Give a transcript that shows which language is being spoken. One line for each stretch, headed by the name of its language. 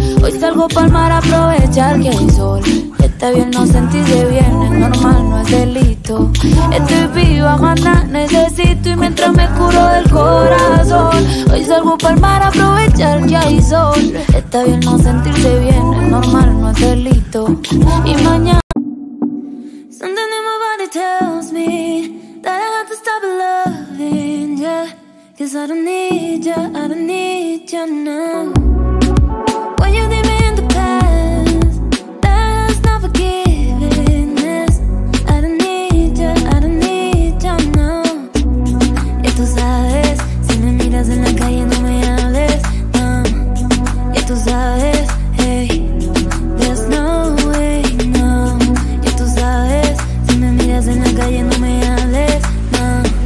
Spanish: Hoy salgo pa'l mar a aprovechar que hay sol. Está bien no sentirse bien, es normal, no es delito. Estoy viva, manda, necesito, y mientras me curo del corazón, hoy salgo pa'l mar a aprovechar que hay sol. Está bien no sentirse bien, es normal, no es delito, y mañana.
English: Something in my body tells me that I have to stop loving ya, cause I don't need ya, no. When you leave me in the past, that's not forgiveness. I don't need ya, no.
Spanish: Y tú sabes, si me miras en la calle no me hables, no. Y tú sabes,
English: hey, there's no way, no.
Spanish: Y tú sabes, si me miras en la calle no me hables, no.